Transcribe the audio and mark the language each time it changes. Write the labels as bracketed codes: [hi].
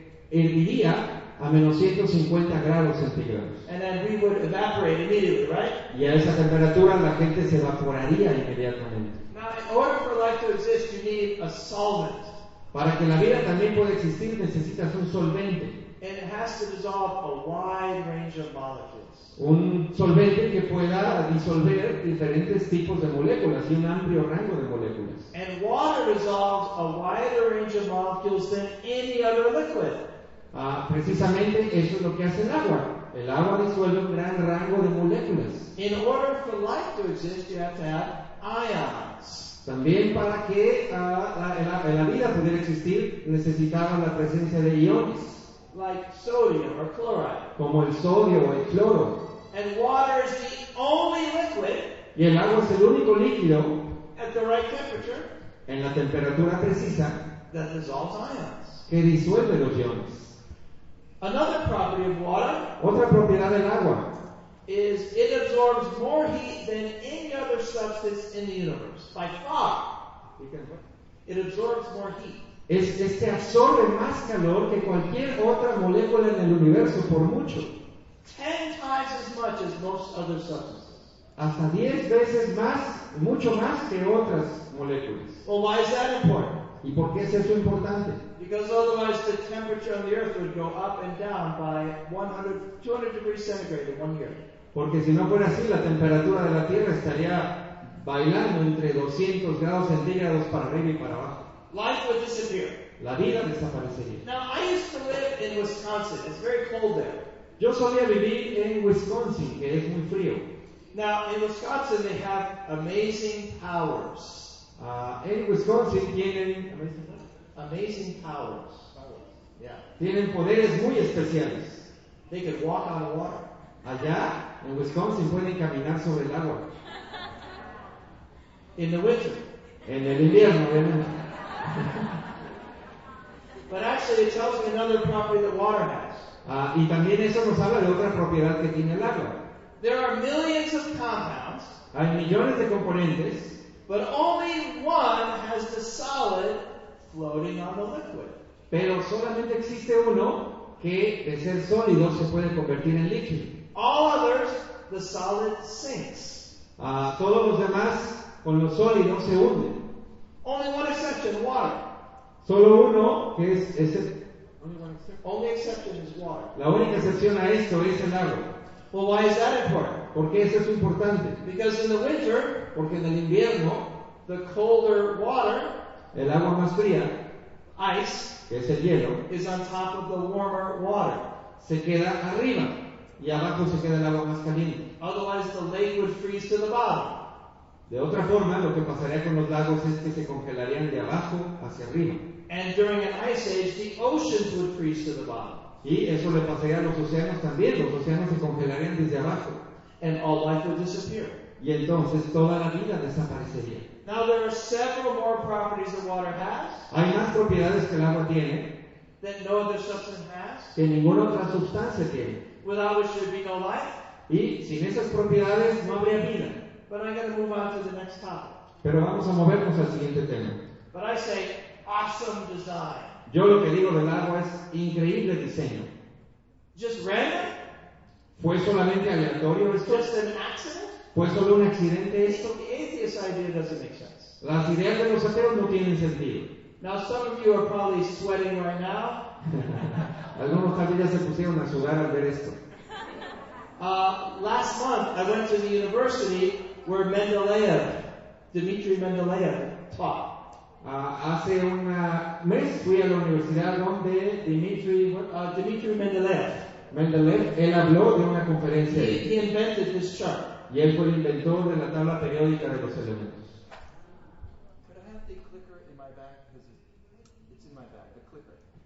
[es] Herviría a menos 150 grados centígrados. [en] And then we would evaporate immediately, right? [es] Y a esa temperatura la gente se evaporaría inmediatamente. [en] Now, in order for life to exist, you need a solvent. [es] Para que la vida también pueda existir, necesitas un solvente. [en] And it has to dissolve a wide range of molecules. [es] Un solvente que pueda disolver diferentes tipos de moléculas y un amplio rango de moléculas. [en] And water dissolves a wider range of molecules than any other liquid. [es] Precisamente eso es lo que hace el agua. El agua disuelve un gran rango de moléculas. [en] In order for life to exist, you have to have ions. [es] También para que la vida pudiera existir, necesitaba la presencia de iones. [en] Like sodium or chloride. [es] Como el sodio o el cloro. [en] And water is the only liquid. [es] Y el agua es el único líquido [en] at the right temperature, [es] en la temperatura precisa [en] that dissolves ions. [es] Que disuelve los iones. [en] Another property of water, [es] otra propiedad del agua, [en] is it absorbs more heat than any other substance in the universe by far. It absorbs more heat. [es] Este absorbe más calor que cualquier otra molécula en el universo por mucho. [en] 10 times as much as most other substances. [es] Hasta 10 veces más, mucho más que otras moléculas. [en] Well, why is that important? [es] ¿Y por qué es eso importante? [en] Because otherwise the temperature on the earth would go up and down by 100-200 degrees centigrade in one year. [es] Porque si no fuera así, la temperatura de la Tierra estaría bailando entre 200 grados centígrados para arriba y para abajo. [en] Life would disappear. [es] La vida desaparecería. [en] Now, I used to live in Wisconsin. It's very cold there. [es] Yo solía vivir en Wisconsin, que es muy frío. [en] Now, in Wisconsin, they have amazing powers. [es] En Wisconsin tienen [en] amazing powers. Yeah. [es] Tienen poderes muy especiales. [en] They can walk on water. [es] Allá, en Wisconsin, pueden caminar sobre el agua. [en] In the winter. [es] En el invierno, ¿verdad? [en] But actually, it tells me another property that water has. [es] Y también eso nos habla de otra propiedad que tiene el agua. [en] There are millions of compounds. [es] Hay millones de componentes. [en] But only one has the solid floating on the liquid. [es] Pero solamente existe uno que, de ser sólido, se puede convertir en líquido. [en] All others, the solid sinks. [es] Todos los demás, con los sólidos, se hunden. [en] Only one exception, water. [es] Solo uno que es el. [en] Only exception is water. [es] La única excepción a esto es el agua. [en] Well, why is that important? [es] Porque eso es importante. [en] Because in the winter, [es] porque en el invierno, [en] the colder water, [es] el agua más fría, [en] ice, [es] que es el hielo, [en] is on top of the warmer water. [es] Se queda arriba y abajo se queda el agua más caliente. [en] Otherwise, the lake would freeze to the bottom. [es] De otra forma, lo que pasaría con los lagos es que se congelarían de abajo hacia arriba. [en] And during an ice age, the oceans would freeze to the bottom. [es] Y eso le pasaría a los océanos también. Los océanos se congelarían desde abajo. [en] And all life would disappear. [es] Y entonces toda la vida desaparecería. [en] Now there are several more properties that water has. [es] Hay más propiedades que el agua tiene. [en] That no other substance has. [es] Que ninguna otra sustancia tiene. [en] Without which there would be no life. [es] Y sin esas propiedades no habría vida. [en] But I'm going to move on to the next topic. [es] Pero vamos a movernos al siguiente tema. [en] But I say, awesome design. [es] Yo lo que digo del agua es increíble diseño. [en] Just random? [es] ¿Fue solamente aleatorio esto? [en] Just an accident? [es] ¿Fue solo un accidente esto? [en] The idea doesn't make sense. [es] Las ideas de los ateos no tienen sentido. [en] Now some of you are probably sweating right now. [es] Algunos también ya se pusieron a sudar al ver esto. [en] Last month I went to the university where Dmitri Mendeleev taught. [es] Hace un mes fui a la universidad donde Dmitri Mendeleev. Mendeleev, él habló de una conferencia. [en] He invented this chart. [es] Y él fue el inventor de la tabla periódica de los elementos. [en] Could I have the clicker in my back? Because it's in my back. The clicker.